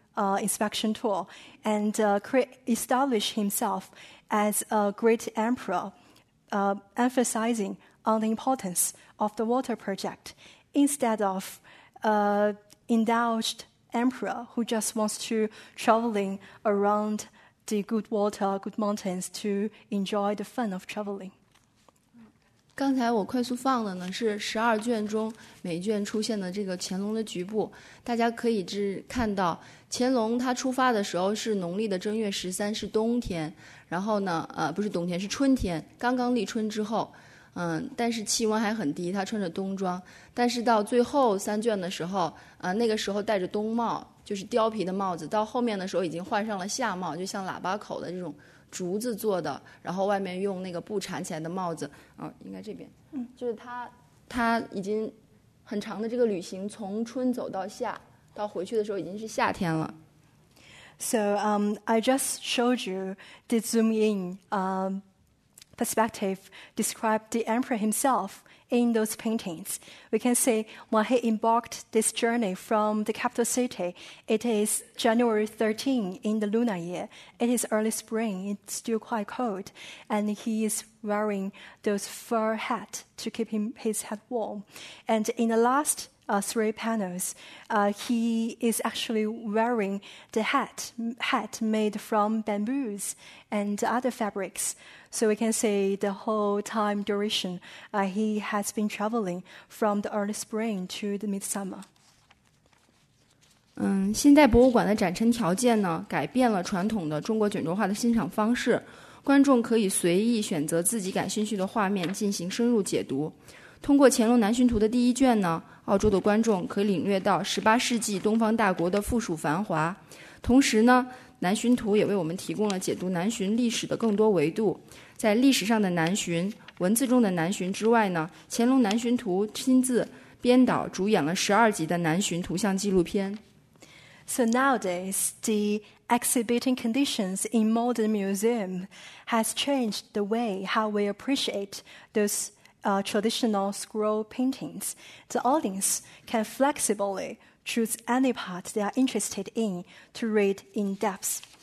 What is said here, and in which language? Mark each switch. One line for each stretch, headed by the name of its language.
English: Inspection tour and establish himself as a great emperor, emphasizing on the importance of the water project instead of an indulged emperor who just wants to traveling around the good water, good mountains to enjoy the fun of traveling.
Chinese: 刚才我快速放的呢是12卷中每卷出现的这个乾隆的局部，大家可以看到乾隆他出发的时候是农历的正月13，是冬天，然后呢不是冬天，是春天，刚刚立春之后，但是气温还很低，他穿着冬装，但是到最后3卷的时候那个时候戴着冬帽，就是貂皮的帽子，到后面的时候已经换上了夏帽，就像喇叭口的这种竹子做的，然后外面用那个布缠起来的帽子，应该这边，就是他已经很长的这个旅行，从春走到夏，到回去的时候已经是夏天了。
English: So I just showed you the zoom in perspective describe the emperor himself in those paintings. We can see when he embarked this journey from the capital city, it is January 13 in the lunar year. It is early spring, it's still quite cold, and he is wearing those fur hat to keep his head warm. And in the last three panels, he is actually wearing the hat made from bamboos and other fabrics. So we can see the whole time duration he has been traveling from the early spring to the midsummer.
Chinese: 现代博物馆的展陈条件呢，改变了传统的中国卷轴画的欣赏方式，观众可以随意选择自己感兴趣的画面进行深入解读。通过乾隆南巡图的第一卷呢，澳洲的观众可以领略到18世纪东方大国的富庶繁华，同时呢，南巡图也为我们提供了解读南巡历史的更多维度，在历史上的南巡、文字中的南巡之外呢，乾隆南巡图亲自编导主演了12集的南巡图像纪录片。
English: So nowadays, the exhibiting conditions in modern museum has changed the way how we appreciate those traditional scroll paintings. The audience can flexibly choose any part they are interested in to read in depth.